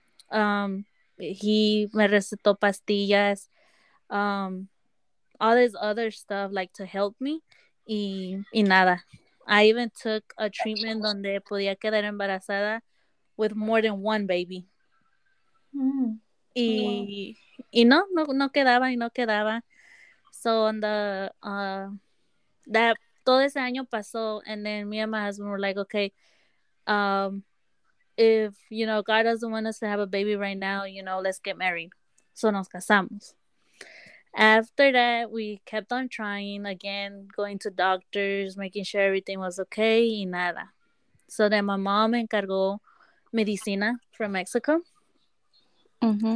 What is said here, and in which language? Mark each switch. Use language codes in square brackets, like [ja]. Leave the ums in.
[en] Um he [es] me recetó pastillas, [en] um, all this other stuff like to help me. [es] Y, y, nada. [en] I even took a treatment [es] donde podía quedar embarazada [en] with more than one baby. Mm. Y, wow. [es] y, no, no, no quedaba y no quedaba. [en] So on the, uh, that, [es] todo ese año pasó [en] and then me and my husband were like, okay, um, if, you know, God doesn't want us to have a baby right now, you know, let's get married. So [es] nos casamos [en] after that we kept on trying again going to doctors making sure everything was okay and nada so then my mom [es] encargó medicina [en] from mexico mm -hmm.